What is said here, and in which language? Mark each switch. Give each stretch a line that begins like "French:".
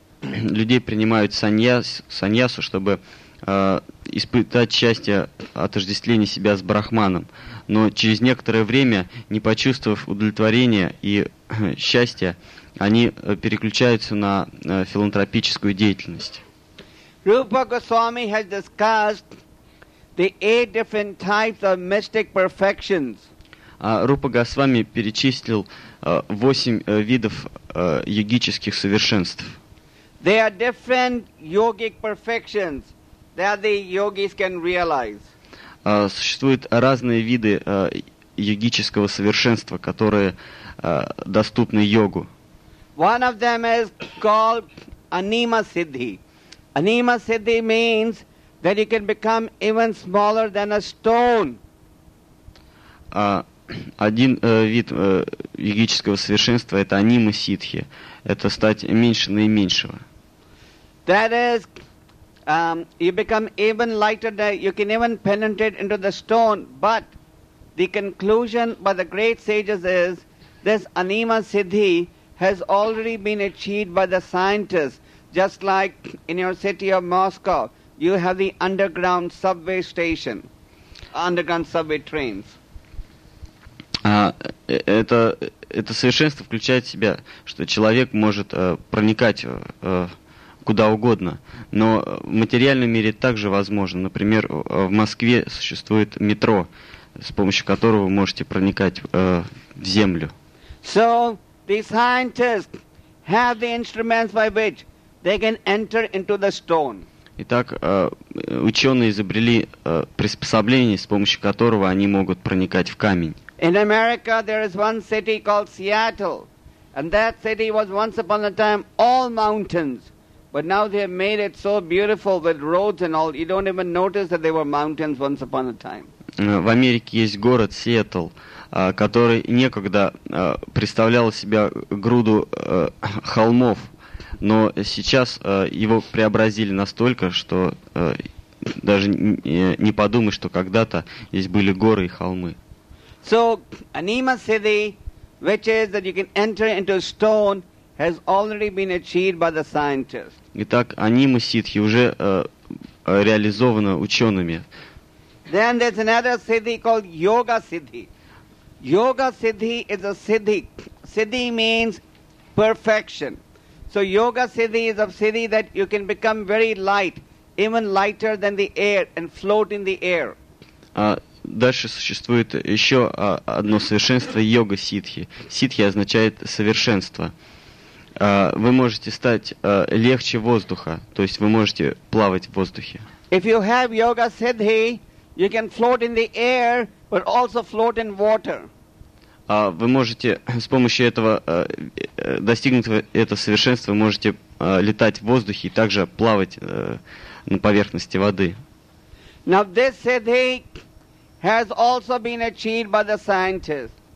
Russian: людей принимают саньясу, чтобы испытать счастье отождествления себя с брахманом, но через некоторое время, не почувствовав удовлетворения и счастья, они переключаются на филантропическую деятельность.
English: Rupa Goswami has discussed the 8 different types of mystic perfections.
Russian: Рупа Госвами перечислил 8 видов йогических совершенств.
English: They are different yogic perfections that the yogis can realize.
Russian: Существуют разные виды йогического совершенства, которые доступны йогу.
English: One of them is called anima siddhi. Anima siddhi means that you can become even smaller than a stone.
Russian: Один вид йогического совершенства – это анима сиддхи. Это стать меньше наименьшего.
English: That is, you become even lighter, than, you can even penetrate into the stone. But the conclusion by the great sages is, this anima siddhi has already been achieved by the scientists. Just like in your city of Moscow, you have the underground subway station, underground subway trains.
Russian: Это совершенство включает в себя, что человек может проникать куда угодно, но в материальном мире также возможно. Например, в Москве существует метро, с помощью которого вы можете проникать в землю.
English: So the scientists have the instruments by which they can enter into the stone.
Russian: Итак, ученые изобрели приспособление, с помощью которого они могут проникать в камень.
English: In America, there is one city called Seattle, and that city was once upon a time all mountains, but now they have made it so beautiful with roads and all, you don't even notice that they were mountains once upon a time.
Russian: В Америке есть город Сиэтл, который некогда представлял себя груду холмов, но сейчас его преобразили настолько, что даже не подумай, что когда-то здесь были горы и холмы.
English: So anima siddhi, which is that you can enter into stone, has already been achieved by the scientists.
Russian: Итак, анима сиддхи уже реализована учеными.
English: Then there's another siddhi called yoga siddhi. Yoga siddhi is a siddhi. Siddhi means perfection. So yoga siddhi is a siddhi that you can become very light, even lighter than the air, and float in the air.
Russian: Дальше существует еще одно совершенство – йога-ситхи. Ситхи означает совершенство. Вы можете стать легче воздуха, то есть вы можете плавать в воздухе.
English: If you have yoga siddhi, you can float in the air, but also float in water.
Russian: Вы можете с помощью этого, достигнуть этого совершенства, можете летать в воздухе и также плавать на поверхности воды.
English: Now this siddhi has also been achieved by the scientists.